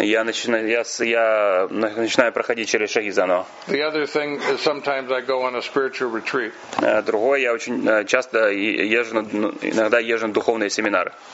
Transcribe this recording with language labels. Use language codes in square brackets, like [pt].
[ru] Я начинаю проходить через шаги заново. [en] The other thing is sometimes I go on a spiritual retreat. [ru] Другое, я очень часто иногда езжу на духовные семинары.